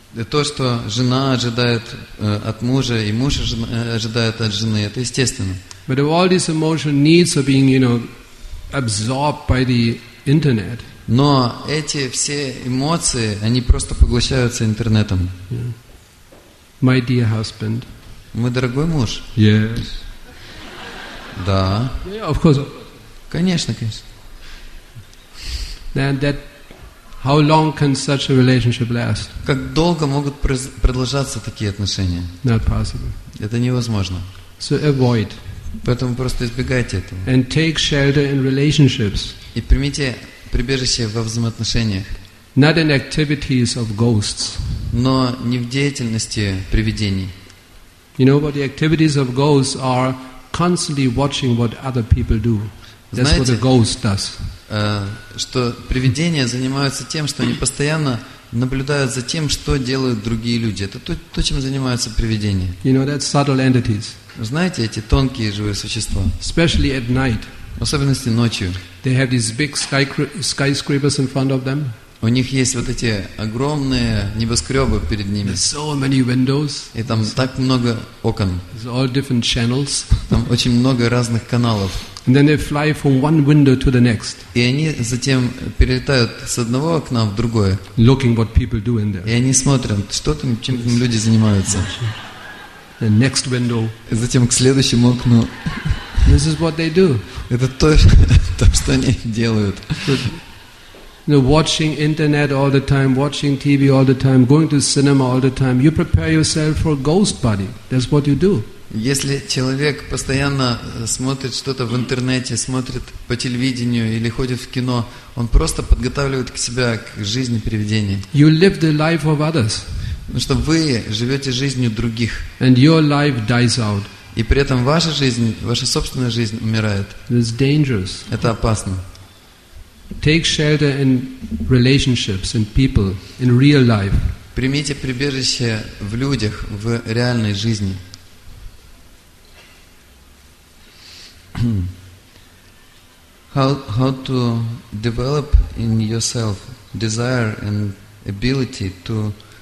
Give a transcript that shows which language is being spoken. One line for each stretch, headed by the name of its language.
Russian: То, что жена ожидает от мужа, и муж ожидает от жены, это естественно.
English: But if all these emotional needs are being, you know, absorbed by the internet.
Russian: Но эти все эмоции, они просто поглощаются интернетом.
English: Yeah. My dear husband.
Russian: Мой дорогой муж.
English: Yes.
Russian: Да.
English: Yeah, of course.
Russian: Конечно, конечно.
English: Then that, how long can such a relationship last?
Russian: Как долго могут продолжаться такие отношения?
English: Not possible.
Russian: Это невозможно.
English: So avoid.
Russian: Поэтому просто избегайте этого.
English: And take shelter in relationships.
Russian: И примите прибежище во взаимоотношениях.
English: Not in activities of ghosts.
Russian: Но не в деятельности привидений.
English: You know what the activities of ghosts are? Constantly watching what other people do. That's
Russian: знаете,
English: what a ghost does.
Russian: Что привидения занимаются тем, что они постоянно наблюдают за тем, что делают другие люди. Это то, чем занимаются привидения.
English: You know, that's subtle entities.
Russian: Знаете, эти тонкие живые существа.
English: Especially at night.
Russian: В особенности ночью.
English: They have these big skyscrapers in front of them.
Russian: У них есть вот эти огромные небоскребы перед ними.
English: So many windows.
Russian: И там так много окон.
English: All different channels.
Russian: Там очень много разных каналов.
English: And then they fly from one window to the next.
Russian: И они затем перелетают с одного окна в другое.
English: Looking what people do in there.
Russian: И они смотрят, что там, чем там люди занимаются.
English: The next window.
Russian: И затем к следующему окну.
English: This is what they do.
Russian: Это то, что они делают.
English: You know, watching internet all the time, watching TV all the time, going to cinema all the time. You prepare yourself for a ghost body. That's what you do.
Russian: Если человек постоянно смотрит что-то в интернете, смотрит по телевидению или ходит в кино, он просто подготавливает к себя к жизни привидений.
English: You live the life of others.
Russian: Ну что вы живете жизнью других.
English: And your life dies out.
Russian: И при этом ваша жизнь, ваша собственная жизнь умирает.
English: It's dangerous.
Russian: Это опасно.
English: Take shelter in relationships, in people, in real life.
Russian: Примите прибежище в людях, в реальной жизни.
English: How to develop in yourself desire and ability to